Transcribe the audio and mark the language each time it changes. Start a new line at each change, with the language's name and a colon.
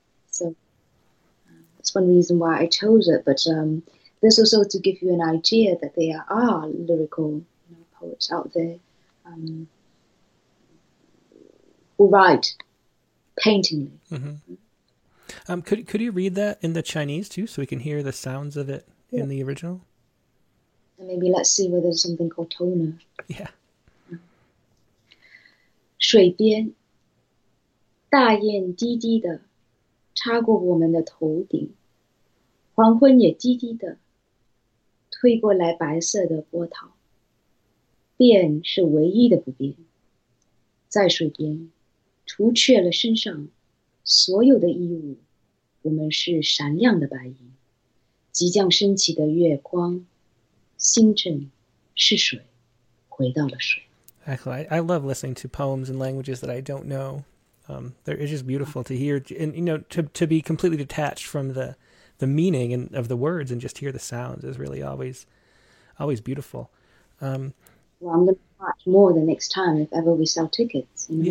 English: So that's one reason why I chose it. But this also to give you an idea that there are lyrical, poets out there, who write paintingly. Could you read that in the Chinese too, so we can hear the sounds of it in the original? And maybe let's see whether there's something called toner.
Chinese: 水边，大雁低低的插过我们的头顶，黄昏也低低的推过来白色的波涛。变是唯一的不变，在水边除却了身上所有的衣物，我们是闪亮的白银。即将升起的月光，星辰是水，回到了水。
English: I love listening to poems in languages that I don't know. It's just beautiful to hear and to be completely detached from the meaning and of the words and just hear the sounds is really always beautiful. Well, I'm going to watch more the next time if ever we sell tickets,